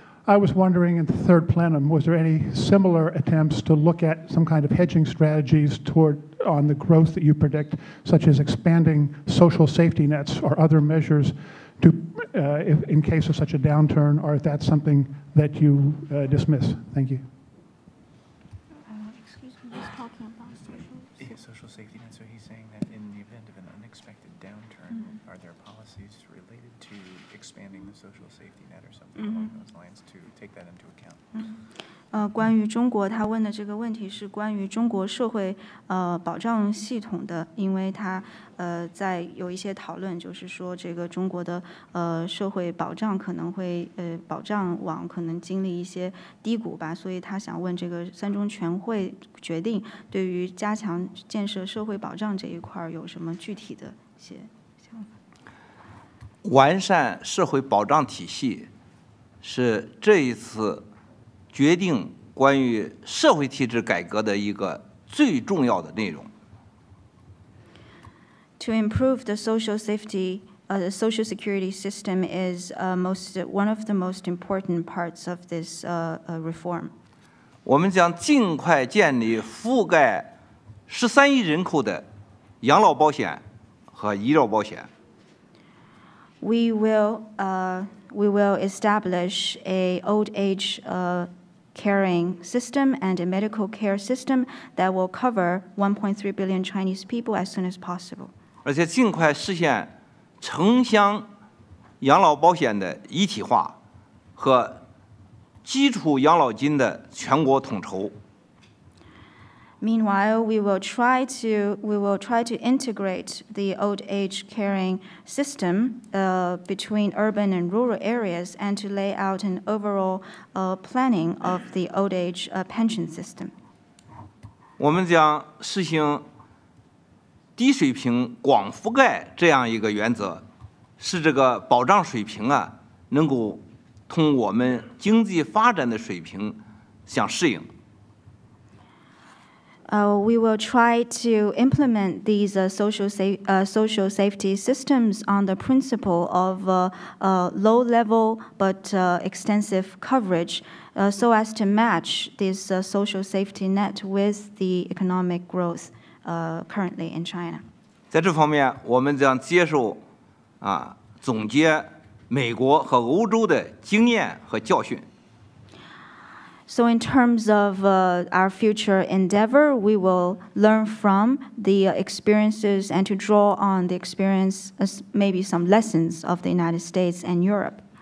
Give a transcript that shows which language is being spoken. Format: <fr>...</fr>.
<en>I was wondering, in the Third Plenum, was there any similar attempts to look at some kind of hedging strategies toward on the growth that you predict, such as expanding social safety nets or other measures to, if, in case of such a downturn, or if that's something that you dismiss? Thank you. Excuse me, he's talking about social safety nets. So he's saying that in the event of an unexpected downturn, mm-hmm. are there policies related to expanding the social safety net or something mm-hmm. along those lines to take that into account? Mm-hmm.</en> <zh>关于中国，他问的这个问题是关于中国社会保障系统的，因为他在有一些讨论，就是说这个中国的社会保障可能会保障网可能经历一些低谷吧，所以他想问这个三中全会决定对于加强建设社会保障这一块有什么具体的一些想法。完善社会保障体系是这一次决定关于社会体制改革的一个最重要的内容。</zh> <en>To improve the social safety, the social security system is one of the most important parts of this reform.</en> <zh>我们将尽快建立覆盖13亿人口的养老保险和医疗保险。</zh> <en>We will establish a old age caring system and a medical care system that will cover 1.3 billion Chinese people as soon as possible.</en> <zh>而且尽快实现城乡养老保险的一体化和基础养老金的全国统筹。</zh> <en>Meanwhile, we will try to integrate the old age caring system between urban and rural areas and to lay out an overall planning of the old age pension system.</en> <zh>我们将实行低水平广覆盖这样一个原则，使这个保障水平啊能够同我们经济发展的水平相适应。</zh> <en>We will try to implement these social safety systems on the principle of low level but extensive coverage so as to match this social safety net with the economic growth currently in China.</en> <zh>在这方面，我们将接受总结美国和欧洲的经验和教训。</zh> <en>So in terms of our future endeavor, we will learn from the experiences and to draw on the experience as maybe some lessons of the United States and Europe.</en>